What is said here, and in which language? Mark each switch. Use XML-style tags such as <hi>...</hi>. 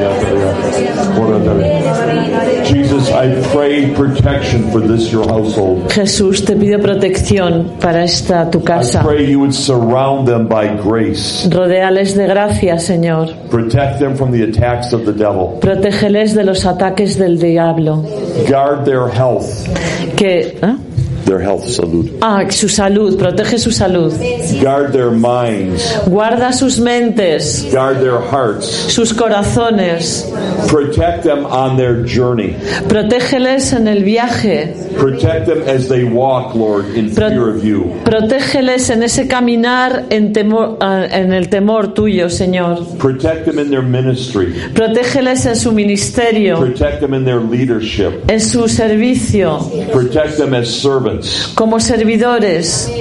<en>Jesus, I pray protection for this your household.</en> <es>Jesús, te pido protección para esta tu casa.</es> <en>I pray you would surround them by grace.</en> <es>Rodéales de gracia, Señor.</es> <en>Protect them from the attacks of the devil.</en> <es>Protégeles de los ataques del diablo.</es> <en>Guard their health. Their health, salud.</en> <es>Ah, su salud, protege su salud.</es> <en>Guard their minds.</en> <es>Guarda sus mentes.</es> <en>Guard their hearts.</en> <es>Sus corazones.</es> <en>Protect them on their journey.</en> <es>Protégeles en el viaje.</es> <en>Protect them as they walk, Lord, in fear of you.</en> <es>Protégeles en ese caminar en temor, en el temor tuyo, Señor.</es> <en>Protect them in their ministry.</en> <es>Protégeles en su ministerio.</es> <en>Protect them in their leadership.</en> <es>En su servicio.</es> <en>Protect them as servants.</en> <es>Como servidores.</es>